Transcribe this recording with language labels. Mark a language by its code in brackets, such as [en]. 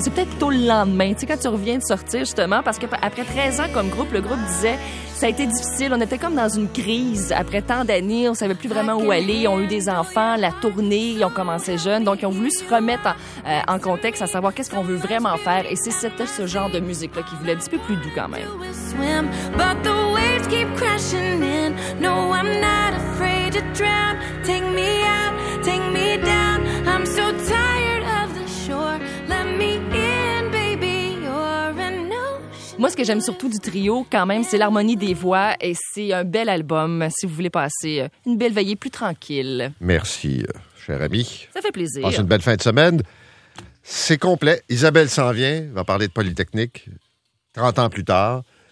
[fr] C'est peut-être plutôt le lendemain, tu sais, quand tu reviens de sortir justement, parce qu'après 13 ans comme groupe, le groupe disait, ça a été difficile. On était comme dans une crise. Après tant d'années, on savait plus vraiment où aller. Ils ont eu des enfants, la tournée, ils ont commencé jeunes. Donc, ils ont voulu se remettre en contexte, à savoir qu'est-ce qu'on veut vraiment faire. Et c'était ce genre de musique-là qui voulait un petit peu plus doux quand même. [en] But the waves keep crashing in. No, I'm not afraid to drown. Take me out, take me down. I'm so tired of the shore. Let me in, baby, you're an ocean. [fr] Moi, ce que j'aime surtout du trio, quand même, c'est l'harmonie des voix. Et c'est un bel album si vous voulez passer une belle veillée plus tranquille. Merci, cher ami. Ça fait plaisir. Passe une belle fin de semaine. C'est complet. Isabelle s'en vient, va parler de Polytechnique 30 ans plus tard.